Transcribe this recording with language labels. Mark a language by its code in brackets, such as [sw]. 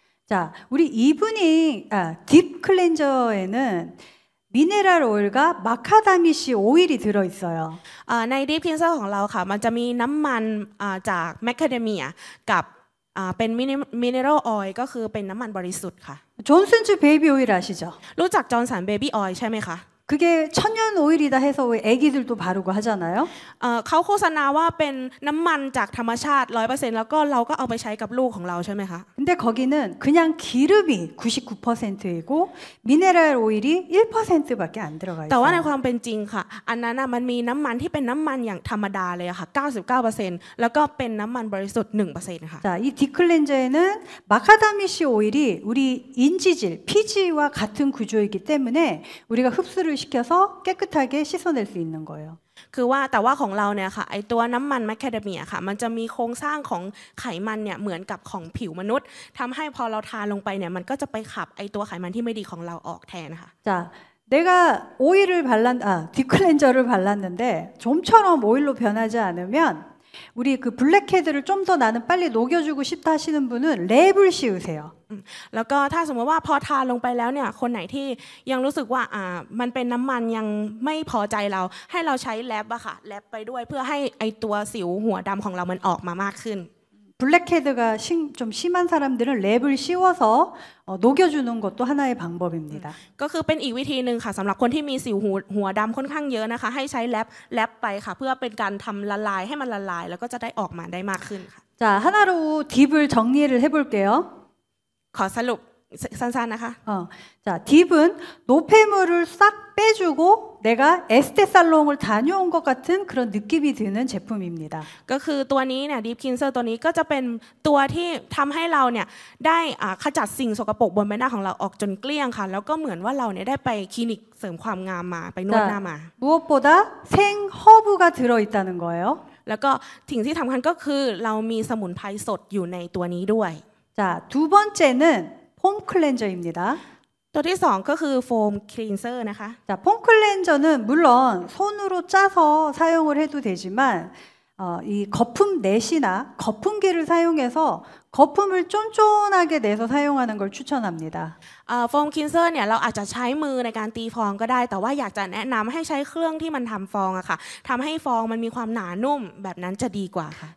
[ko] 자우리이분이딥클렌저에는미네랄오일과마카다미씨오일이들어있어요 [th] ในดีพินเซอร์ของเราค่ะมันจะมีน้ํามันจากแมคาเดเมียกับเป็นมินเนอรัลออยล์ก็คือเป็นน้ํามันบริสุทธิ์ค่ะ [ko] จอห์นสันส์เบบี้โอยล์아시죠 [th] รู้จักจอห์นสันเบบี้ออยล์ใช่มั้ยคะ [ko] 그게천년오일이다해서왜아기들도바르고하잖아요 [th] เขาโฆษณาว่าเป็นน้ํามันจากธรรมชาติ 100% แล้วก็เราก็เอาไปใช้กับลูกของเราใช่มั้ยคะ [ko] 근데거기는그냥기름이 99% 이고미네랄오일이 1% 밖에안들어가있어요 [th] แต่ว่าในความเป็นจริงค่ะอันนั้นน่ะมันมีน้ํามันที่เป็นน้ํามันอย่างธรรมดาเลยค่ะ 99% แล้วก็เป็นน้ํามันบริสุทธิ์ 1% ค่ะ [ko] 자이디클렌저에는마카다미씨오일이우리인지질 피지 와 같은 구조이기 때문에 우리가 흡수를시켜서깨끗하게씻어낼수있는거예요 [th] คือว่าแต่ว่าของเราเนี่ยค่ะไอตัวน้ำมันแมคคาเดเมียค่ะมันจะมีโครงสร้างของไขมันเนี่ยเหมือนกับของผิวมนุษย์ทำให้พอเราทาลงไปเนี่ยมันก็จะไปขับไอตัวไขมันที่ไม่ดีของเราออกแทนค่ะ [ko] จ้ะ내가오일을발랐디클렌저를발랐는데좀처럼오일로변하지않으면우리그블랙헤드를좀더나는빨리녹여주고싶다하시는분은랩을씌우세요 [th] แล้วก็ถ้าสมมติว่าพอทาลงไปแล้วเนี่ยคนไหนที่ยังรู้สึกว่ามันเป็นน้ำมันยังไม่พอใจเราให้เราใช้แรปอะค่ะแรปไปด้วยเพื่อให้ไอตัวสิวหัวดำของเรามันออกมามากขึ้น [ko] 블랙헤드가좀심한사람들은랩을씌워서녹여주는것도하나의방법입니다 [th] ก็คือเป็นอีกวิธีนึงค่ะสำหรับคนที่มีสิวหัวดำค่อนข้างเยอะนะคะให้ใช้แรปไปค่ะเพื่อเป็นการทำละลายให้มันละลายแล้วก็จะได้ออกมาได้มากขึ้นค่ะ [ko] 자하나로딥을정리를해볼게요 [th] ขอสรุปสั้นๆนะคะ [ko] 자딥은노폐물을싹빼주고내가에스테살롱을다녀온것같은그런느낌이드는제품입니다 [th] ก็คือตัวนี้เนี่ยดีพินเซอร์ตัวนี้ก็จะเป็นตัวที่ทําให้เราเนี่ยได้ขจัดสิ่งสกปรกบนใบหน้าของเราออกจนเกลี้ยงค่ะแล้วก็เหมือนว่าเราเนี่ยได้ไปคลินิกเสริมความงามมาไปนวดหน้ามา [ko] 무엇보다생허브가들어있다는거예요 [th] แล้วก็สิ่งที่สําคัญก็คือเรามีสมุนไพรสดอยู่ในตัวนี้ด้วย [ko] 자두번째는폼클렌저입니다 [th] ตัวที่สองก็คือโฟมคลีนเซอร์นะคะ [ko] จ้ะพ่นคลีนเซอร์는물론손으로짜서사용을해도되지만이거품넷이나거품기를사용해서거품을쫀쫀하게내서사용하는걸추천합니다 [th] โฟมคลีนเซอร์เนี่ยเราอาจจะใช้มือในการตีฟองก็ได้แต่ว่าอยากจะแนะนำให้ใช้เครื่องที่มันทำฟองอะค่ะทำให้ฟองมันมีความหนานุ่มแบบนั้นจะดีกว่าค่ะ